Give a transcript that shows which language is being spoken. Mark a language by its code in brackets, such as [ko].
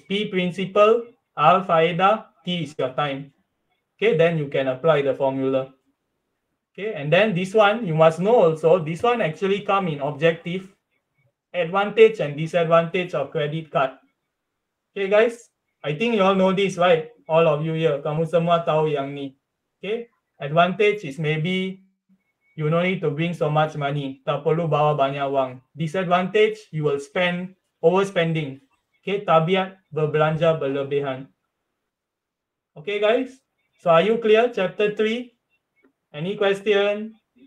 [en] P principal, R faedah, T is your time. Okay, then you can apply the formula. Okay, and then this one, you must know also, this one actually come in objective, advantage and disadvantage of credit card. Okay, guys, I think you all know this, right? All of you here, [ms] kamu semua tahu yang ni. [en] Okay, advantage is maybe you don't need to bring so much money. [ms] Tak perlu bawa banyak wang. [en] Disadvantage, you will spend overspending. Okay, [ms] tabiat berbelanja berlebihan. [en] Okay, guys. So, are you clear? Chapter 3. Any question?